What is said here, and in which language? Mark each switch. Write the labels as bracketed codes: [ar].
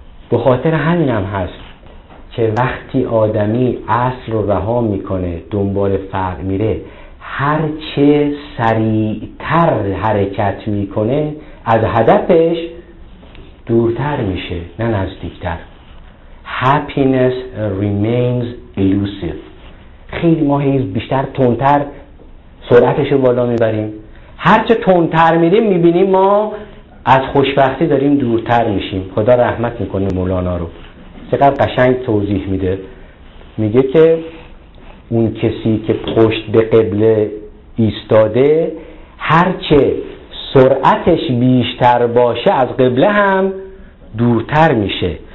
[fa] به خاطر همین هم هست که وقتی آدمی اصل رو رها میکنه، دنبال فرع میره، هر چه سریعتر حرکت میکنه از هدفش دورتر میشه، نه نزدیکتر. [en] happiness remains elusive. [fa] خیلی ما هیز بیشتر تندتر سرعتش رو بالا میبریم، هر چه تندتر میریم میبینیم ما از خوشبختی داریم دورتر میشیم. خدا رحمت میکنه مولانا رو، چقدر قشنگ توضیح میده. میگه که اون کسی که پشت به قبله ایستاده، هرچه سرعتش بیشتر باشه از قبله هم دورتر میشه.